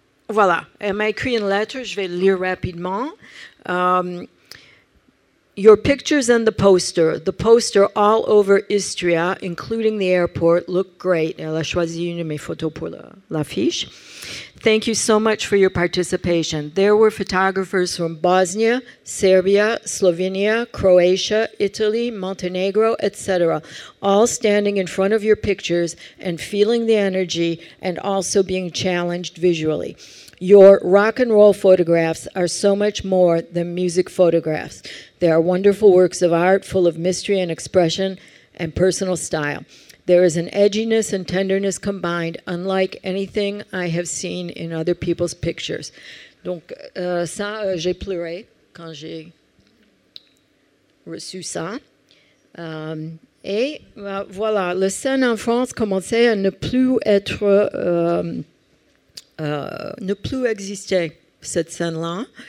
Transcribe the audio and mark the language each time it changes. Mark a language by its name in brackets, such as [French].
[French] Voilà, elle m'a écrit une lettre, je vais lire rapidement. [English] Your pictures and the poster all over Istria, including the airport, look great. [French] Elle a choisi une de mes photos pour l'affiche. [English] Thank you so much for your participation. There were photographers from Bosnia, Serbia, Slovenia, Croatia, Italy, Montenegro, etc., all standing in front of your pictures and feeling the energy and also being challenged visually. Your rock and roll photographs are so much more than music photographs. They are wonderful works of art full of mystery and expression and personal style. There is an edginess and tenderness combined, unlike anything I have seen in other people's pictures. [French] Donc, ça, j'ai pleuré quand j'ai reçu ça. Voilà, le scène en France commençait à ne plus être, ne plus exister, cette scène-là.